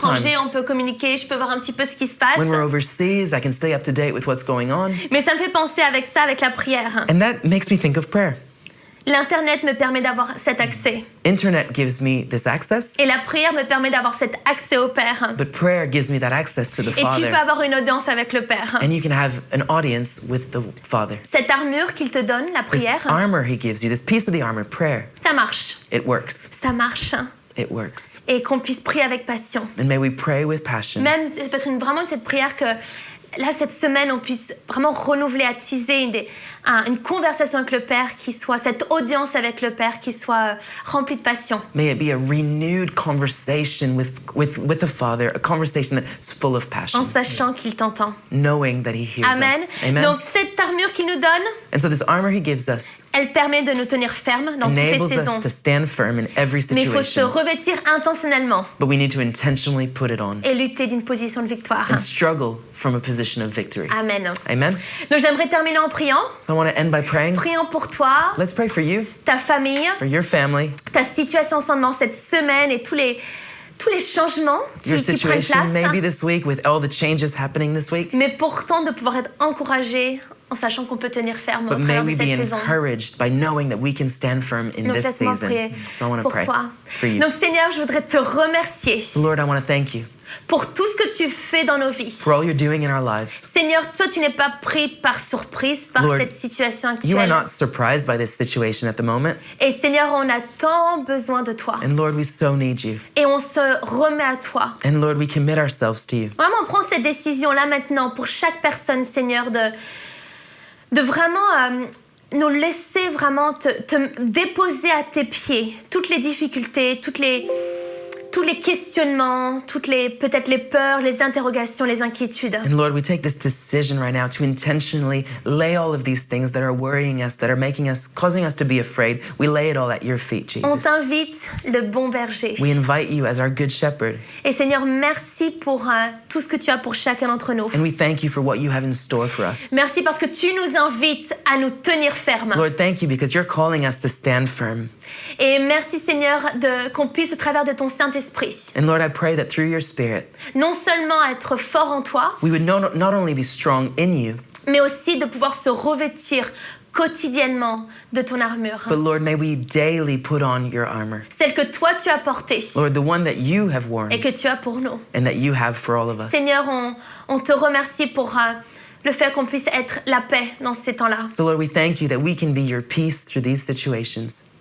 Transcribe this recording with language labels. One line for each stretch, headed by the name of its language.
French: Quand on est à l'étranger, on peut communiquer, je peux voir un petit peu ce qui se passe.
English: When we're overseas, I can stay up to date with what's going on.
French: Mais ça me fait penser avec ça, avec la prière.
English: And that makes me think of prayer.
French: L'internet me permet d'avoir cet accès.
English: Internet gives me this access.
French: Et la prière me permet d'avoir cet accès au Père.
English: But prayer gives me that access to the
French: Et
English: Father.
French: Et tu peux avoir une audience avec le Père.
English: And you can have an audience with the Father.
French: Cette armure qu'il te donne, la prière.
English: This armor he gives you, this piece of the armor, prayer.
French: Ça marche.
English: It works.
French: Ça marche.
English: It works.
French: Et qu'on puisse prier avec passion.
English: And may we pray with passion.
French: Même peut-être une vraiment cette prière que là, cette semaine, on puisse vraiment renouveler, attiser une conversation avec le Père qui soit, cette audience avec le Père qui soit remplie de passion.
English: May it be a renewed conversation with the Father, a conversation that's full of passion.
French: En sachant qu'il t'entend.
English: Knowing that he hears Amen. Us. Amen.
French: Donc, cette armure qu'il nous donne,
English: and so this armor he gives us,
French: elle permet de nous tenir ferme dans toutes les saisons.
English: Enables us to stand firm in every situation.
French: Mais il faut se revêtir intentionnellement.
English: But we need to intentionally put it on.
French: Et lutter d'une position de victoire.
English: And struggle from a position of victory. Amen. Amen.
French: Donc j'aimerais terminer en priant.
English: So I want to end by praying.
French: Priant pour toi.
English: Let's pray for you.
French: Ta famille.
English: For your family.
French: Ta situation en ce moment, cette semaine et tous les changements
English: your
French: qui prennent place.
English: Your situation maybe this week with all the changes happening this week.
French: Mais pourtant de pouvoir être encouragé en sachant qu'on peut tenir ferme
English: But
French: au travers de cette saison.
English: But may we be encouraged by knowing that we can stand firm in
French: Donc,
English: this season. So I want to pray toi. For you.
French: Donc Seigneur, je voudrais te remercier.
English: Lord, I want to thank you.
French: Pour tout ce que tu fais dans nos vies.
English: For all you're doing in our lives.
French: Seigneur, toi, tu n'es pas pris par surprise par
English: Lord,
French: cette situation actuelle.
English: You are not surprised by this situation at the moment.
French: Et Seigneur, on a tant besoin de toi.
English: And Lord, we so need you.
French: Et on se remet à toi.
English: And Lord, we commit ourselves to you.
French: Vraiment, prends cette décision-là maintenant pour chaque personne, Seigneur, de vraiment nous laisser vraiment te déposer à tes pieds toutes les difficultés, tous les questionnements, toutes les peut-être les peurs, les interrogations, les inquiétudes.
English: And Lord, we take this decision right now to intentionally lay all of these things that are worrying us, that are making us, causing us to be afraid. We lay it all at your feet, Jesus.
French: On t'invite, le bon berger.
English: We invite you as our good shepherd.
French: Et Seigneur, merci pour tout ce que tu as pour chacun d'entre nous.
English: And we thank you for what you have in store for us.
French: Merci parce que tu nous invites à nous tenir ferme.
English: Lord, thank you because you're calling us to stand firm.
French: Et merci Seigneur de qu'on puisse au travers de ton Saint-Esprit.
English: And Lord, I pray that through your spirit.
French: Non seulement être fort en toi.
English: We would not only be strong in you.
French: Mais aussi de pouvoir se revêtir quotidiennement de ton armure.
English: But Lord, may we daily put on your armor.
French: Celle que toi tu as portée.
English: Lord, the one that you have worn.
French: Et que tu as pour nous.
English: And that you have for all of us.
French: Seigneur, on te remercie pour le fait qu'on puisse être la paix dans ces temps-là.
English: So Lord, we thank you that we can be your peace through these situations.